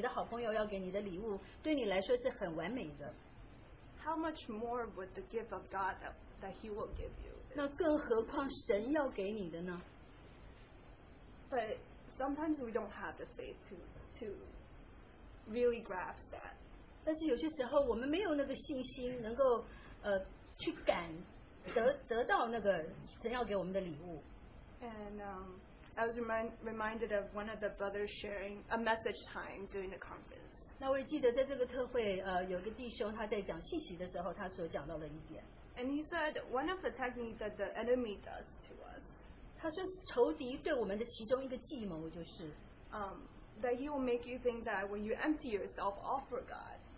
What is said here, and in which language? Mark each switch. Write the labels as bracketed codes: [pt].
[zh] 如果我们很容易的就可以相信，哦，你的好朋友要给你的礼物，对你来说是很完美的。 [en] How much more would the gift of God that He will give you? [zh] 那更何况神要给你的呢？ [en] But sometimes we don't have the faith to really grasp that. [zh] 但是有些时候我们没有那个信心能够去感得到那个神要给我们的礼物。 [en] And I was reminded of one of the brothers sharing a message time during the conference. [zh] 那我也记得在这个特会，有一个弟兄他在讲信息的时候，他所讲到的一点。 [en] And he said one of the techniques that the enemy does to us. [zh] 他说仇敌对我们的其中一个计谋就是， [en] that he will make you think that when you empty yourself off for God.